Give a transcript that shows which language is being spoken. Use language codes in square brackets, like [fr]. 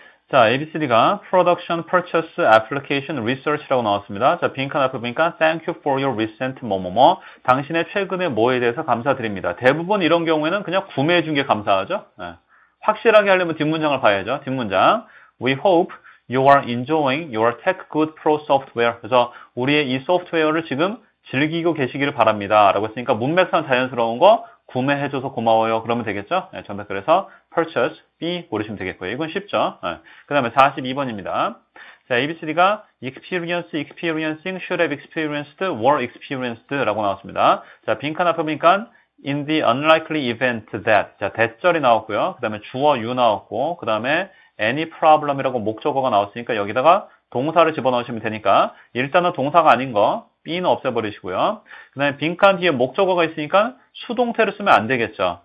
[ko] 자, ABCD가 production, purchase, application, research라고 나왔습니다. 자, 빈칸 앞에 보니까 [en] thank you for your recent [ko] 뭐뭐뭐. 당신의 최근에 뭐에 대해서 감사드립니다. 대부분 이런 경우에는 그냥 구매해 준게 감사하죠. 네. 확실하게 하려면 뒷문장을 봐야죠. 뒷문장. [en] We hope you are enjoying your tech good pro software. [ko] 그래서 우리의 이 소프트웨어를 지금 즐기고 계시기를 바랍니다. 라고 했으니까 문맥상 자연스러운 거 구매해 줘서 고마워요. 그러면 되겠죠? 네, 정답. 그래서 purchase. B 고르시면 되겠고요. 이건 쉽죠. 네. 그 다음에 42번입니다. 자, ABCD가 experience, experiencing, should have experienced, were experienced라고 나왔습니다. 자, 빈칸 앞에 보니까 [en] in the unlikely event that. [ko] 자, that절이 나왔고요. 그 다음에 주어 you 나왔고, 그 다음에 any problem이라고 목적어가 나왔으니까 여기다가 동사를 집어넣으시면 되니까 일단은 동사가 아닌 거 B는 없애버리시고요. 그 다음에 빈칸 뒤에 목적어가 있으니까 수동태를 쓰면 안 되겠죠.